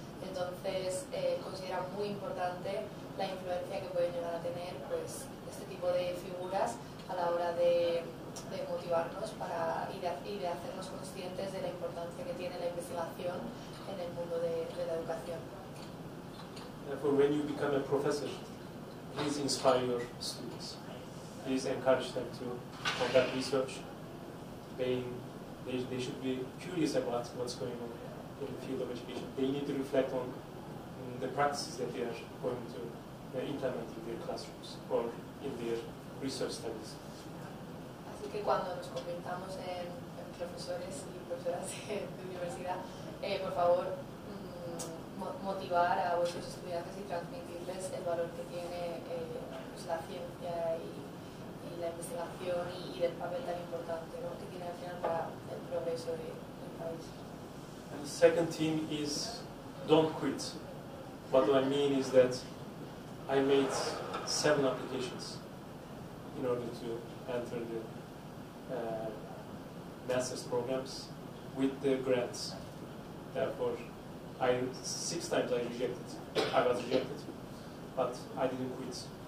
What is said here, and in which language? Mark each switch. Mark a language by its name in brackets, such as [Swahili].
[Spanish] Entonces, considera muy importante la influencia que pueden llegar a tener pues, este tipo de figuras a la hora de motivarnos y de hacernos conscientes de la importancia que tiene la investigación en el mundo de la educación. [English] Therefore, when you become a professor, please inspire your students. Please encourage them to conduct research. They should be curious about what's going on in the field of education. They need to reflect on the practices that they are going to implement in their classrooms or in their research studies. [Spanish] Así que cuando nos convirtamos en profesores y profesoras de universidad, por favor, motivar a vuestros estudiantes y transmitirles el valor que tiene pues la ciencia y la investigación y del papel tan importante, ¿no?, que tiene al final para el progreso del país. [English] And the second theme is don't quit. What do I mean is that I made 7 applications in order to enter the master's programs with the grants. Therefore, 6 times I rejected. I was rejected, but I didn't quit.